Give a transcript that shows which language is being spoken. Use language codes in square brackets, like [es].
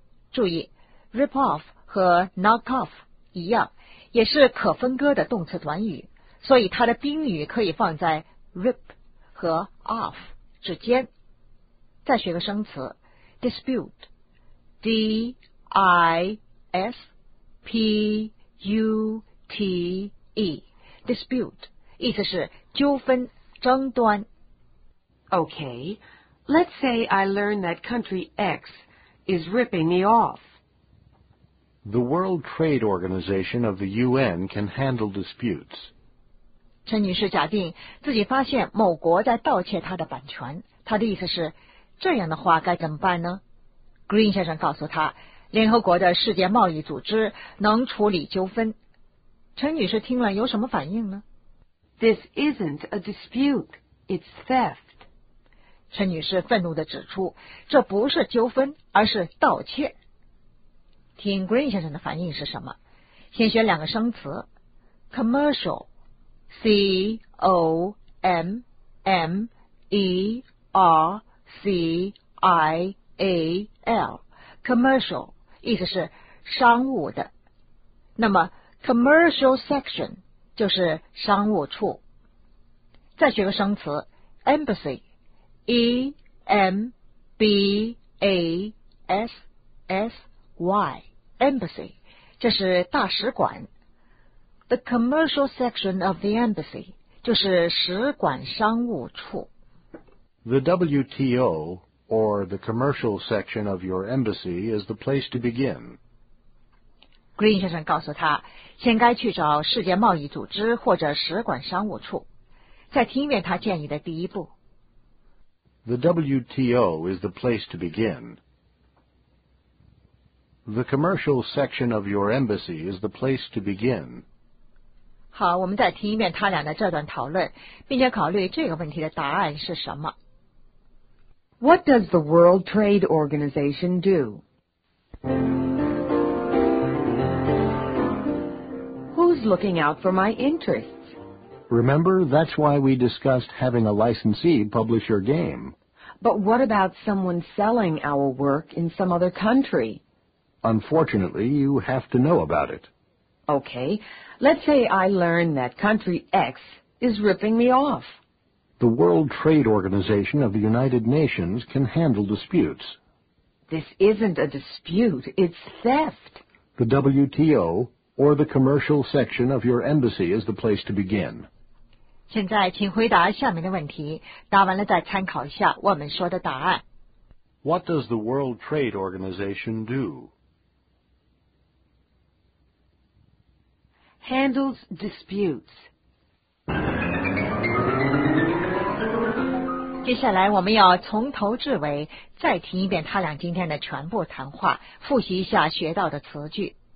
[zh] 注意 rip off 和 knock off 一样，也是可分割的动词短语，所以它的宾语可以放在 rip 和 off 之间。再学个生词 dispute, D-I-S-P-U-T-E, dispute 意思是纠纷、争端。 [en] Okay,Let's say I learn that country X is ripping me off. The World Trade Organization of the UN can handle disputes. [zh] 陈女士假定自己发现某国在盗窃她的版权，她的意思是，这样的话该怎么办呢？ Green 先生告诉她，联合国的世界贸易组织能处理纠纷。陈女士听了有什么反应呢？ [en] This isn't a dispute, it's theft. [zh] 陈女士愤怒地指出，这不是纠纷，而是盗窃。听 Green 先生的反应是什么？先学两个生词 commercial, C-O-M-M-E-R-C-I-A-L, commercial, 意思是商务的。那么 commercial section 就是商务处。再学个生词 embassy,E-M-B-A-S-S-Y, Y, embassy, 这是大使馆。 [en] The commercial section of the embassy, [zh] 就是使馆商务处。 [en] The WTO, or the commercial section of your embassy, is the place to begin. [zh] Green 先生告诉他，先该去找世界贸易组织或者使馆商务处，再听一遍他建议的第一步。 [en] The WTO is the place to begin. The commercial section of your embassy is the place to begin. [zh] 好，我们再听一遍他俩的这段讨论，并且考虑这个问题的答案是什么。 [en] What does the World Trade Organization do? Who's looking out for my interests? Remember, that's why we discussed having a licensee publish your game. But what about someone selling our work in some other country? Unfortunately, you have to know about it. Okay, let's say I learn that country X is ripping me off. The World Trade Organization of the United Nations can handle disputes. This isn't a dispute, it's theft. The WTO, or the commercial section of your embassy, is the place to begin. [zh] 现在请回答下面的问题，答完了再参考一下我们说的答案。 [en] What does the World Trade Organization do? Handles disputes. [zh] 接下来我们要从头至尾再听一遍他俩今天的全部谈话，复习一下学到的词句。